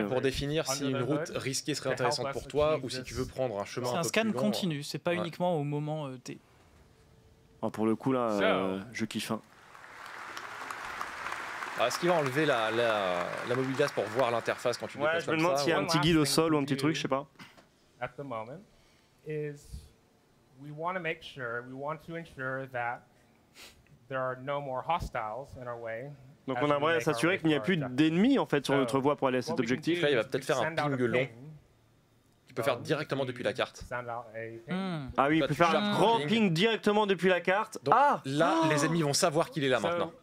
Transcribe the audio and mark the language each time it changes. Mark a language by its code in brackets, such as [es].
[fr] Pour définir si une route risquée serait intéressante pour toi ou si tu veux prendre un chemin un peu plus long. C'est un scan continu, c'est pas uniquement au moment T. Oh, pour le coup là, je kiffe. Est-ce qu'il va enlever la mobile glace pour voir l'interface quand tu déplaces comme ça? Je me demande s'il y a un petit guide au sol ou un petit truc, je sais pas. [en] At the moment, is we want to make sure, we want to ensure that there are no more hostiles in our way. [fr] Donc on aimerait s'assurer qu'il n'y a plus d'ennemis en fait sur notre voie pour aller à cet objectif. Là, il va peut-être faire un ping long. Tu peux faire directement depuis la carte. Ah oui, il peut faire un grand ping directement depuis la carte. Donc, ah là, les ennemis vont savoir qu'il est là maintenant.